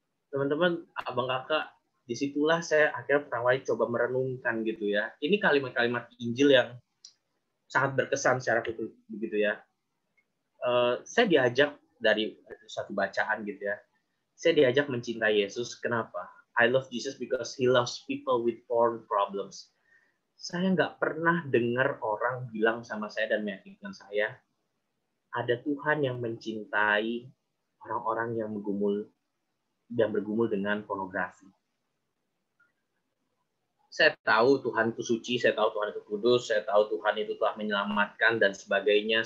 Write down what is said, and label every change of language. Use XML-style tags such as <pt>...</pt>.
<id>Teman-teman, abang kakak, disitulah saya akhirnya pertama kali coba merenungkan gitu ya. Ini kalimat-kalimat Injil yang sangat berkesan secara itu begitu ya. Saya diajak dari satu bacaan gitu ya. Saya diajak mencintai Yesus. Kenapa?</id> <en>I love Jesus because He loves people with porn problems.</en> <id>Saya nggak pernah dengar orang bilang sama saya dan meyakinkan saya ada Tuhan yang mencintai orang-orang yang bergumul dan bergumul dengan pornografi. Saya tahu Tuhan itu suci, saya tahu Tuhan itu kudus, saya tahu Tuhan itu telah menyelamatkan dan sebagainya.</id>